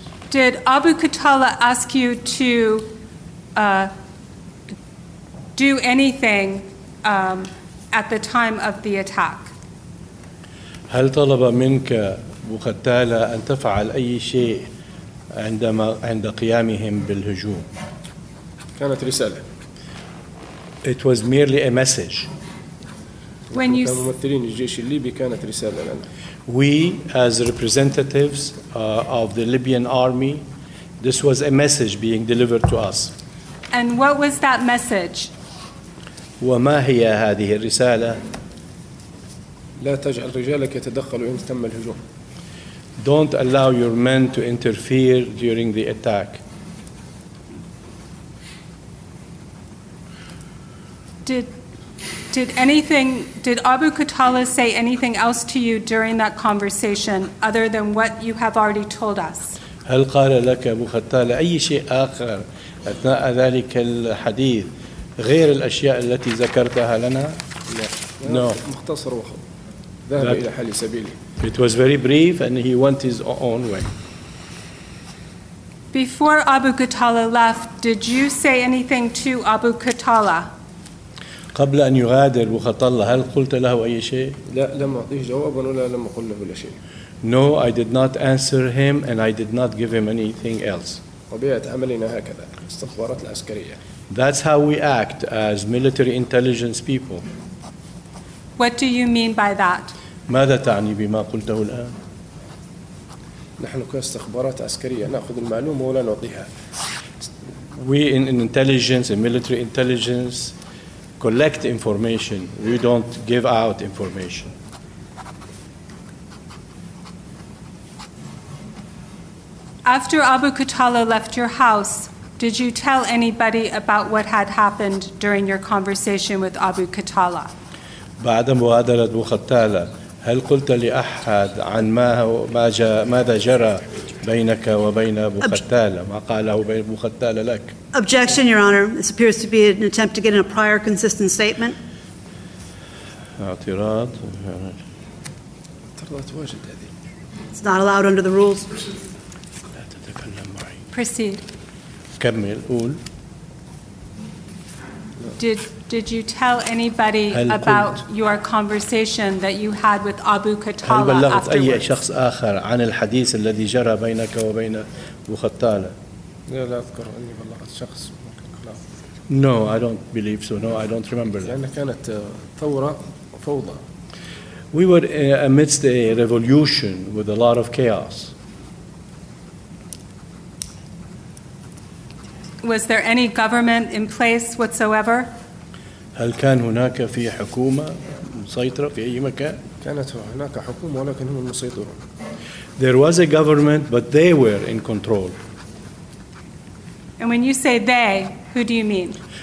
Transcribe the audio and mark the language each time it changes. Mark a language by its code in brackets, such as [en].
[en] Did Abu Qatala ask you to do anything at the time of the attack? [ar] هل طلب منك أبو قتالة أن تفعل أي شيء عندما عند قيامهم بالهجوم؟ كانت رسالة. [en] It was merely a message. When you [ar] ممثلين الجيش الليبي كانت رسالة لنا. [en] We, as representatives of the Libyan army, this was a message being delivered to us. And what was that message? [ar] وما هي هذه الرسالة؟ لا تجعل رجالك يتدخلوا إن تم الهجوم. [en] Don't allow your men to interfere during the attack. Did Abu Qatala say anything else to you during that conversation other than what you have already told us? [ar] هل قال لك أبو قتالة أي شيء آخر أثناء ذلك الحديث غير الأشياء التي ذكرتها لنا؟ لا. [en] No. [ar] مختصر وخط. ذهب إلى حل سبيله. [en] It was very brief and he went his own way. Before Abu Qatala left, did you say anything to Abu Qatala? [ar] قبل أن يغادر أبو قتالة هل قلت له أي شيء؟ لا لم أعطيه جوابا ولا لم أقول له شيء. [en] No, I did not answer him and I did not give him anything else. [ar] طبيعة عملنا هكذا استخبارات العسكرية. [en] That's how we act as military intelligence people. What do you mean by that? [ar] ماذا تعني بما قلته الآن؟ نحن كاستخبارات عسكرية نأخذ المعلومة ولا نعطيها. [en] We in intelligence, in military intelligence, collect information. We don't give out information. After Abu Qatala left your house, did you tell anybody about what had happened during your conversation with Abu Qatala? [ar] بعد مغادرة أبو قتالة هل قلت لأحد عن ماذا جرى بينك وبين أبو قتالة ما قاله بين أبو قتالة لك؟ [en] Objection, Your Honor. This appears to be an attempt to get in a prior consistent statement. [ar] اعتراض. اعتراض واجد هذه. [en] It's not allowed under the rules. [ar] لا تتكلم معي. [en] Proceed. [ar] كمل. قول. [en] Did you tell anybody about your conversation that you had with Abu Qatala afterwards? [ar] هل بلغت أي شخص آخر عن الحديث الذي جرى بينك وبين أبو قتالة؟ لا أذكر أني بلغت شخص. [en] No, I don't believe so. No, I don't remember that. [ar] لأنها كانت ثورة فوضى. [en] We were amidst a revolution with a lot of chaos. Was there any government in place whatsoever? [ar] هل كان هناك في حكومة مسيطرة في أي مكان؟ كانت هناك حكومة ولكن هم المسيطرون. [en] There was a government, but they were in control. And when you say they, who do you mean?